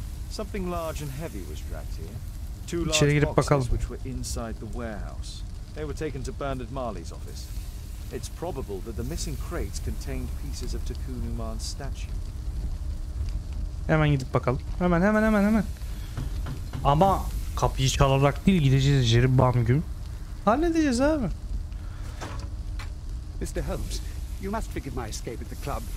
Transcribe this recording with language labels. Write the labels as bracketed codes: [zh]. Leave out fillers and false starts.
[en] Something large and heavy was dragged here. Two large boxes which were inside the warehouse. They were taken to Bernard Marley's office. It's probable that the missing crates contained pieces of Takun Uman's statue. [tr] Hemen gidip bakalım. Hemen hemen hemen hemen. Ama kapıyı çalarak değil, gideceğiz içeri bam güm. Halledeceğiz abi. [en] Mr. Holmes, you must forgive my escape at the club.